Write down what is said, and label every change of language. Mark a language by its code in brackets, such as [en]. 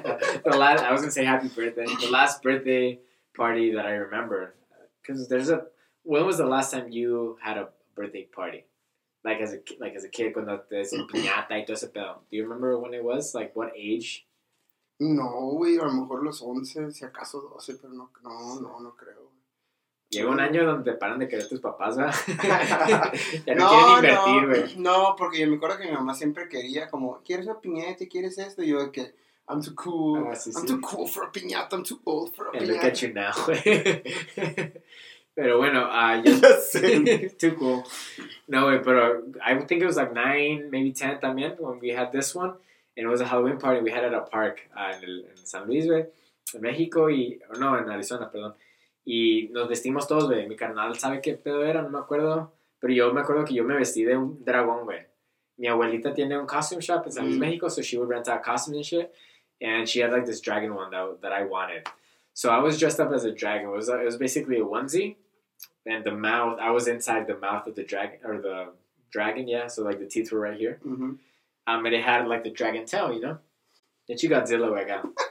[en] The last birthday party that I remember, because when was the last time you had a birthday party, like as a kid [es] cuando te hacían piñata y todo ese pedo? [en] Do you remember when it was, like, what age? [es] No, güey, a lo mejor los 11, si acaso 12, pero no creo. Llega un año donde te paran de querer tus papás, ¿verdad? Ya no quieren invertir, güey. No, porque yo me acuerdo que mi mamá siempre quería, como, ¿quieres una piñata? ¿Quieres esto? Y yo, que [en] I'm too cool. Too cool for a piñata. I'm too old for a piñata. And look at you now. [es] Pero bueno, yo sé. [en] Too cool. [es] No, güey, pero [en] I think it was like 9, maybe 10 también when we had this one. And it was a Halloween party. We had it at a park [es] en San Luis, güey. En México y... No, en Arizona, perdón. Y nos vestimos todos, güey. Mi carnal sabe qué pedo era, no me acuerdo. Pero yo me acuerdo que yo me vestí de un dragón, güey. Mi abuelita tiene un costume shop en San Luis, México. [en] So she would rent out costumes and shit. And she had, like, this dragon one that I wanted. So I was dressed up as a dragon. It was basically a onesie. And the mouth, I was inside the mouth of the dragon, or the dragon, yeah. So, like, the teeth were right here. Mm-hmm. And it had, like, the dragon tail, you know? And she got Zillow, I got.